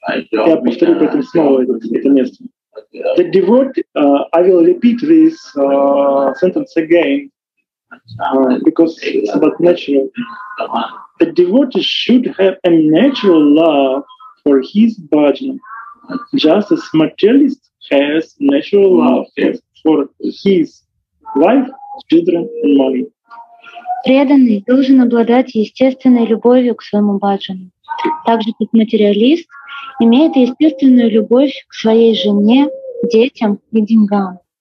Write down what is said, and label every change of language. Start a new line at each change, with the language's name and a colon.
Russian: Я повторю, поэтому снова это место.
English: The devotee, I will repeat this sentence again, because it's about natural. The devotee should have a natural love for his bhajan, just as materialist has natural love for his wife, children, and money.
Russian: Преданный должен обладать естественной любовью к своему бхаджану, так же, как материалист имеет естественную любовь к своей жене, детям и деньгам.